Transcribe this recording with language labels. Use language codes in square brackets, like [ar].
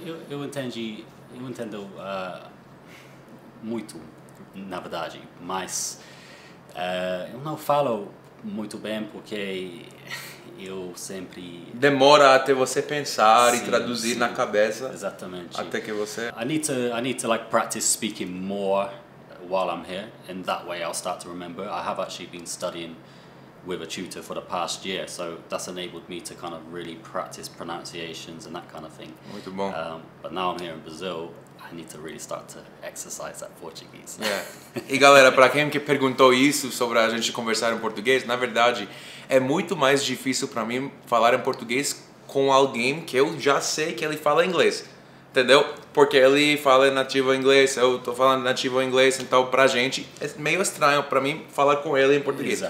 [pt] Eu entendo muito, na verdade, mas eu não falo muito bem porque eu sempre... Demora até você pensar e traduzir na cabeça. Exatamente. Até que você... [en] I need to like practice speaking more while I'm here, and that way I'll start to remember. I have actually been studying with a tutor for the past year, so that's enabled me to kind of really practice pronunciations and that kind of thing. [pt] Muito bom. [en] But now I'm here in Brazil, I need to really start to exercise that Portuguese. Yeah. [pt] E galera, para quem que perguntou isso sobre a gente conversar em português, na verdade, é muito mais difícil para mim falar em português com alguém que eu já sei que ele fala inglês. Entendeu? Porque ele fala nativo inglês, eu tô falando nativo inglês, então pra gente é meio estranho pra mim falar com ele em português.